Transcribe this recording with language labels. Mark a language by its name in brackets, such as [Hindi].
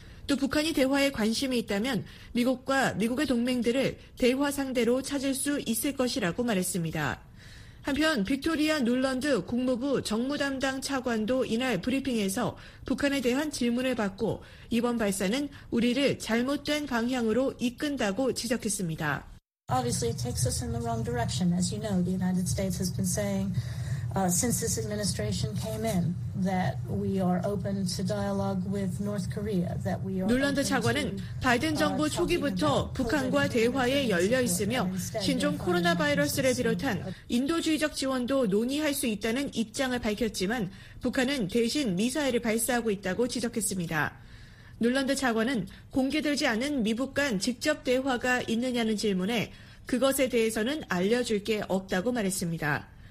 [Korean] 또 북한이 대화에 관심이 있다면 미국과 미국의 동맹들을 대화 상대로 찾을 수 있을 것이라고 말했습니다. 한편 빅토리아 눌런드 국무부 정무담당 차관도 이날 브리핑에서 북한에 대한 질문을 받고 이번 발사는 우리를 잘못된 방향으로 이끈다고 지적했습니다. [English] Obviously it takes us in the wrong direction. As you know, the United States has been saying since this administration came in that we are open to dialogue with North Korea. [Korean] 눌런드 차관은 바이든 정부 초기부터 북한과 대화에 열려 있으며 신종 코로나 바이러스를 비롯한 인도주의적 지원도 논의할 수 있다는 입장을 밝혔지만 북한은 대신 미사일을 발사하고 있다고 지적했습니다. 눌런드 차관은 공개되지 않은 미북 간 직접 대화가 있느냐는 질문에 그것에 대해서는 알려줄 게 없다고 말했습니다.